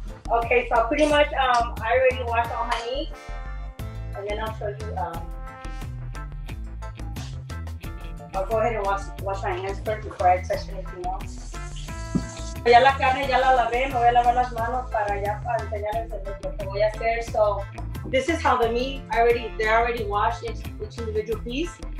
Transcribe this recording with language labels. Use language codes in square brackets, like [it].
[en] Okay, so pretty much, I already washed all my meat. And then I'll show you, I'll go ahead and wash my hands first before I touch anything else. [es] Ya la carne ya la lavé, me voy a lavar las manos para ya para enseñarles lo que voy a hacer. So [en] this is how the meat they're already washed into each individual piece.